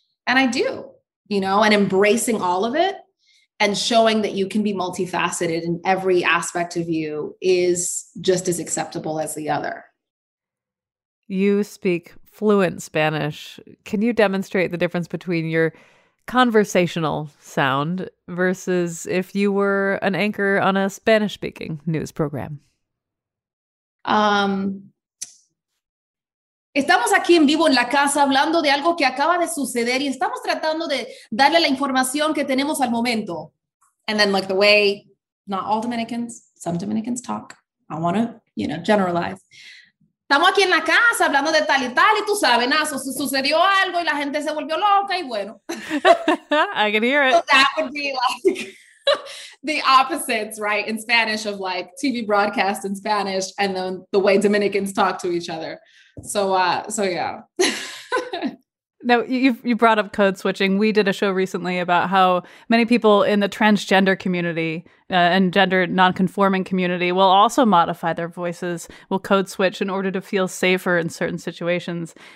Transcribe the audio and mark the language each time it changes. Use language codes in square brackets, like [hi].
[en] And I do, you know, and embracing all of it and showing that you can be multifaceted and every aspect of you is just as acceptable as the other. You speak fluent Spanish. Can you demonstrate the difference between your conversational sound versus if you were an anchor on a Spanish-speaking news program? [es] Estamos aquí en vivo en la casa hablando de algo que acaba de suceder y estamos tratando de darle la información que tenemos al momento. [en] And then like the way, not all Dominicans, some Dominicans talk. I want to, you know, generalize. [es] Estamos aquí en la casa hablando de tal y tal y tú sabes, Nazo, sucedió algo y la gente se volvió loca y bueno. [en] I can hear it. So that would be like the opposites, right, in Spanish of like TV broadcast in Spanish and then the way Dominicans talk to each other. So yeah. Now, you brought up code switching. We did a show recently about how many people in the transgender community and gender nonconforming community will also modify their voices, will code switch in order to feel safer in certain situations.